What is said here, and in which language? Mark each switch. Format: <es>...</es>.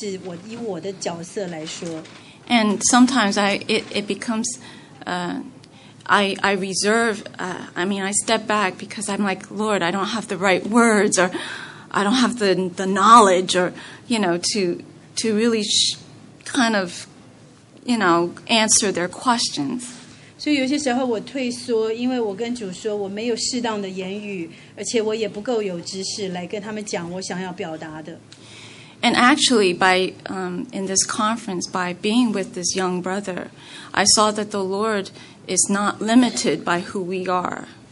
<zh>就很多时候，当我提到神的时候，我觉得很不恰当，尤其是以我的角色来说。</zh> <en>And sometimes I step back because I'm like, Lord, I don't have the right words, or I don't have the knowledge, or you know, to really kind of, you know, answer their questions.</en> <zh>所以有些时候我退缩，因为我跟主说我没有适当的言语，而且我也不够有知识来跟他们讲我想要表达的。</zh> <en>And actually, in this conference, by being with this young brother, I saw that the Lord is not limited by who we are.</en>